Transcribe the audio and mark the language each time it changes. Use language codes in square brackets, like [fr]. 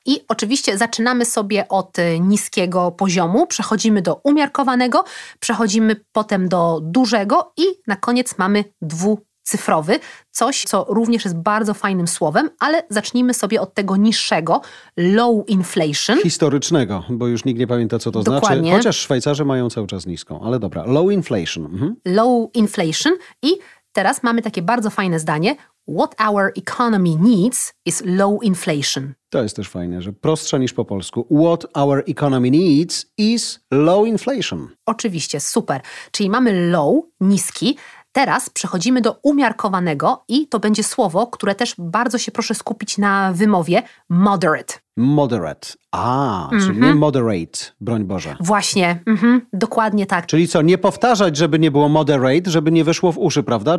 [pl] I oczywiście zaczynamy sobie od niskiego poziomu, przechodzimy do umiarkowanego, przechodzimy potem do dużego i na koniec mamy dwucyfrowy, coś, co również jest bardzo fajnym słowem, ale zacznijmy sobie od tego niższego, [en] low inflation. [pl] Historycznego, bo już nikt nie pamięta, co to dokładnie znaczy. Chociaż Szwajcarzy mają cały czas niską, ale dobra, [en] low inflation. [pl] Mhm. [en] Low inflation [pl] i teraz mamy takie bardzo fajne zdanie. [en] What our economy needs is low inflation. [pl] To jest też fajne, że prostsze niż po polsku. [en] What our economy needs is low inflation. [pl] Oczywiście, super. Czyli mamy low, niski. Teraz przechodzimy do umiarkowanego i to będzie słowo, które też bardzo się proszę skupić na wymowie, moderate. [en] Moderate. [pl] A, czyli nie moderate, broń Boże. Właśnie, dokładnie tak. Czyli co, nie powtarzać, żeby nie było moderate, żeby nie wyszło w uszy, prawda?